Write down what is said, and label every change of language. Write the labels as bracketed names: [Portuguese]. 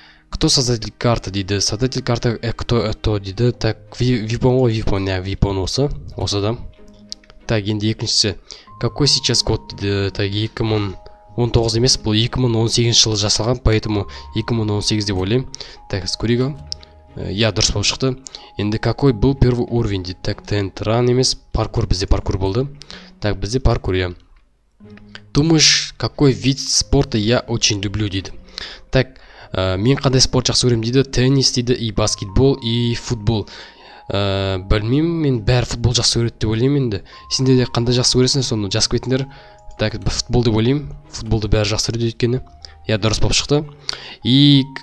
[Russian] Кто создатель карты, дейді? Создатель карты, кто это, дейді? [Kazakh] Так, випон, випон, не, випон осы, осы да. [Russian] Так, [Kazakh] енді екіншісі. [Russian] Какой сейчас год, дейді? [Kazakh] Так, 2019 емес, бұл 2018 жылы жасалған, поэтому 2018 деп ойлаймын. Так, скорее, я дұрыс болып шықты. Енді [Russian] какой был первый уровень, [Kazakh] дейді? Так, тентран емес, паркур, бізде паркур болды. Так, бізде паркур, я. [Russian] Думаешь, какой вид спорта я очень люблю, дейді? [Kazakh] Так, мен қандай спорт жақсы көремін дейді? Теннис дейді, и баскетбол, и футбол. Білмеймін, мен бәрі футбол жақсы көреді деп ойлаймын енді. Сендер де қандай жақсы көресің, соны жазып кетіңдер. Так, футбол деп ойлаймын. Футболды бәрі жақсы көреді өйткені. Иә, дұрыс болып шықты. И